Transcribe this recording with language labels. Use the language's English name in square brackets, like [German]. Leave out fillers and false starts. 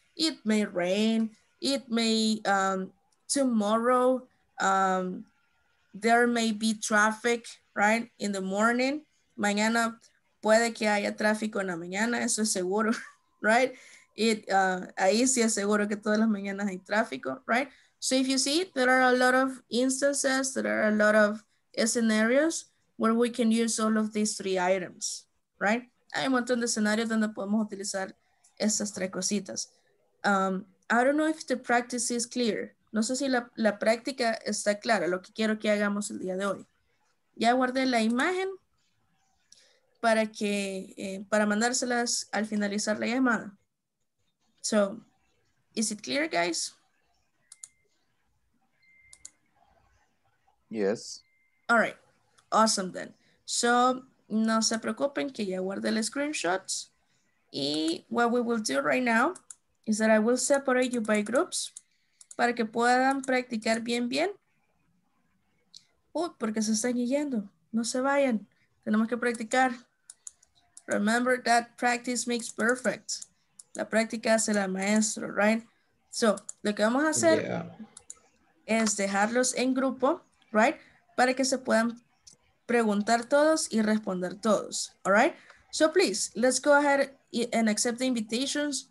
[English] It may rain, it may, tomorrow, there may be traffic, right? [Spanish] In the morning, mañana puede que haya tráfico en la mañana, eso es seguro, right? Ahí sí es seguro que todas las mañanas hay tráfico, right? [English] So if you see, there are a lot of instances, there are a lot of scenarios where we can use all of these three items, right? [Spanish] Hay un montón de escenarios donde podemos utilizar estas tres cositas. [English] I don't know if the practice is clear. [Spanish] No sé si la práctica está clara, lo que quiero que hagamos el día de hoy. Ya guardé la imagen para mandárselas al finalizar la llamada. [English] So, is it clear, guys? Yes. [Spanish] All right, awesome then. So No se preocupen que ya guardé los screenshots. [English] Y what we will do right now is that I will separate you by groups para que puedan practicar bien, bien. [Spanish] Porque se están yendo. No se vayan. Tenemos que practicar. [English] Remember that practice makes perfect. La práctica hace la maestro, right? [Spanish] So, lo que vamos a hacer es dejarlos en grupo, right? Para que se puedan preguntar todos y responder todos, all right? [English] So please, let's go ahead and accept the invitations.